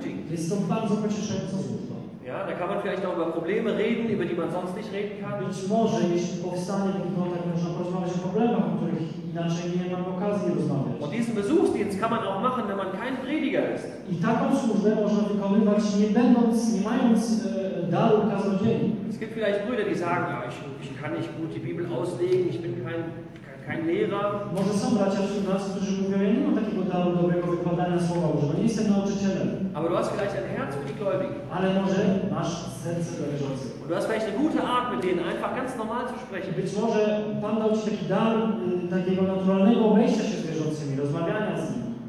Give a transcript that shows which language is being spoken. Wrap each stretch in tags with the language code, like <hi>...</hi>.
<pl>Jest to bardzo pocieszająca służba.</pl> <de>Ja, da kann man vielleicht auch über Probleme reden, über die man sonst nicht reden kann.</de> <pl>Być może, jeśli powstanie ten kontakt, można porozmawiać o problemach, o których inaczej nie mam okazji rozmawiać.</pl> <de>Und diesen Besuchsdienst kann man auch machen, wenn man kein Prediger ist.</de> <pl>I taką służbę można wykonywać, nie mając daru kaznodziei.</pl> <de>Es gibt vielleicht Brüder, die sagen, ja, ich kann nicht gut die Bibel auslegen, ich bin kein Lehrer.</de> <pl>Może są bracia wśród nas, którzy mówią, ja nie mam takiego daru dobrego wykładania słowa, że nie jestem nauczycielem.</pl> <de>Aber du hast vielleicht ein Herz für die Gläubigen.</de> <pl>Ale może masz serce dla wierzących.</pl> <de>Und du hast vielleicht eine gute Art, mit denen einfach ganz normal zu sprechen.</de> <pl>Być może Pan dał ci taki dar takiego naturalnego obejścia się z wierzącymi, rozmawiania z nimi.</pl>